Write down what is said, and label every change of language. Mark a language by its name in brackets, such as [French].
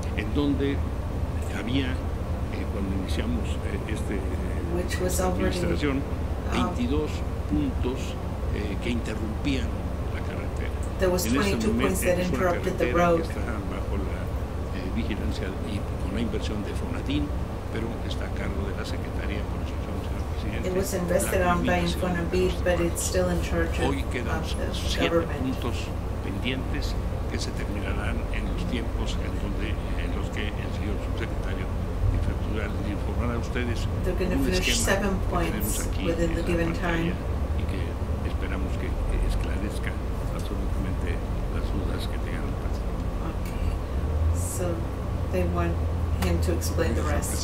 [Spanish] en donde había cuando iniciamos este administración 22 puntos que interrumpían la carretera. [English] There was 22 points that interrupted the road. [Spanish] Está bajo la vigilancia y con la inversión de Fonatín, pero está a cargo de la Secretaría de Construcción, señor presidente. [English] It was invested on by Infonavit, but it's still in charge of the government. [Spanish] Pendientes que se terminarán en los tiempos en donde en los que el señor subsecretario de Infraestructura les informará a ustedes un esquema que tenemos aquí en la pantalla y que esperamos que esclarezca absolutamente las dudas que tengan. [English] Okay, so they want him to explain the rest.